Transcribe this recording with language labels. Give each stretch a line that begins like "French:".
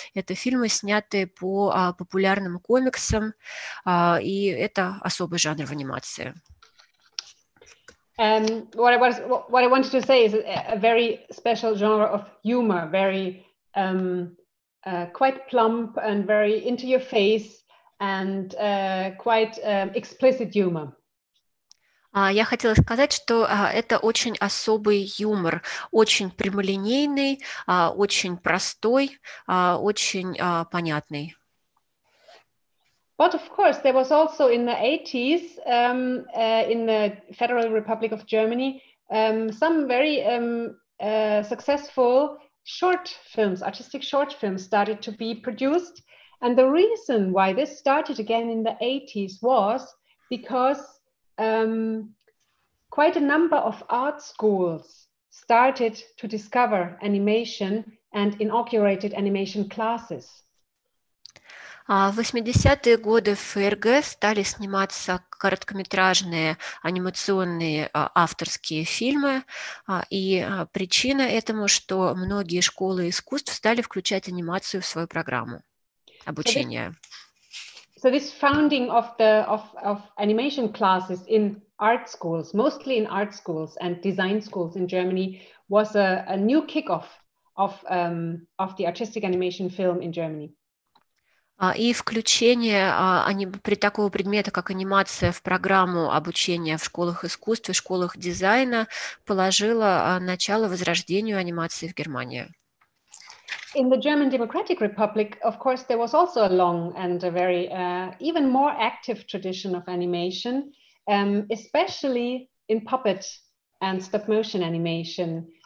Russian: Это фильмы, снятые по популярным комиксам, и это особый жанр в анимации.
English: What I wanted to say is a very special genre of humor, very quite plump and very into your face and quite explicit humor.
Russian: Я хотела сказать, что это очень особый юмор, очень прямолинейный, очень простой, очень понятный.
English: But of course, there was also in the 80s, in the Federal Republic of Germany, some very successful short films, artistic short films started to be produced. And the reason why this started again in the 80s was because quite a number of art schools started to discover animation and inaugurated animation classes.
Russian: В 80-е годы в ФРГ стали сниматься короткометражные анимационные авторские фильмы, и причина этому, что многие школы искусств стали включать анимацию в свою программу обучения.
English: So this founding of the of animation classes in art schools, mostly in art schools and design schools in Germany, was a new kickoff of the artistic animation film in Germany.
Russian: И включение при такого предмета, как анимация, в программу обучения в школах искусств и школах дизайна положило начало возрождению анимации в Германии.
English: In the German Democratic Republic, of course, there was also a long and a very even more active tradition of animation, especially in puppet and stop motion animation.